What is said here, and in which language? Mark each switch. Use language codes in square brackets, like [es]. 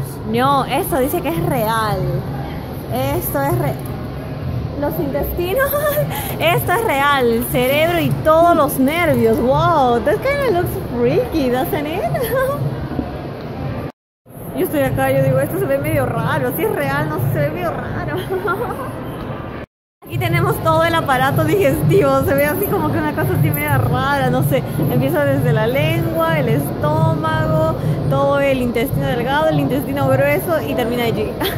[es] No, esto dice que es real. Esto es real. Los intestinos, esto es real. El cerebro y todos los nervios. [en] Wow, that kind of looks freaky, doesn't it? [es] Yo estoy acá, yo digo, esto se ve medio raro. Si es real, no se ve medio raro. Aquí tenemos todo el aparato digestivo, se ve así como que una cosa así media rara, no sé, empieza desde la lengua, el estómago, todo el intestino delgado, el intestino grueso y termina allí.